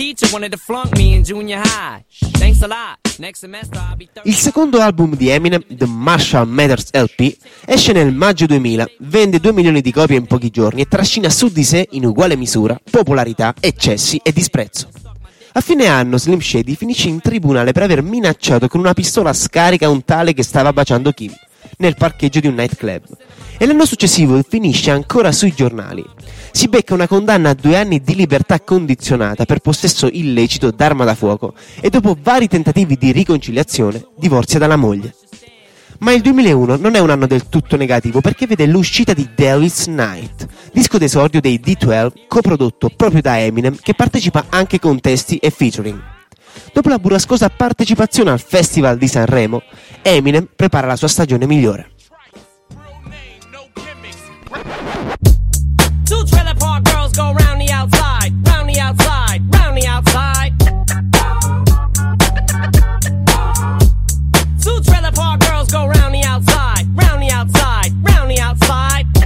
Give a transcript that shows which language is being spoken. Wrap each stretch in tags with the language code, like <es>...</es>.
<en>wanted to flunk me in junior high. Thanks a lot. Next semester I'll be 30.</en> <it>Il secondo album di Eminem, The Marshall Mathers LP, esce nel maggio 2000, vende 2 milioni di copie in pochi giorni e trascina su di sé, in uguale misura, popolarità, eccessi e disprezzo. A fine anno Slim Shady finisce in tribunale per aver minacciato con una pistola a scarica un tale che stava baciando Kim nel parcheggio di un nightclub. E l'anno successivo finisce ancora sui giornali. Si becca una condanna a 2 anni di libertà condizionata per possesso illecito d'arma da fuoco e dopo vari tentativi di riconciliazione divorzia dalla moglie. Ma il 2001 non è un anno del tutto negativo perché vede l'uscita di Devil's Night, disco d'esordio dei D12 coprodotto proprio da Eminem che partecipa anche con testi e featuring. Dopo la burrascosa partecipazione al Festival di Sanremo, Eminem prepara la sua stagione migliore.</it> <en>Two trailer park girls go round the outside, round the outside, round the outside. Two trailer park girls go round the outside, round the outside, round the outside.</en>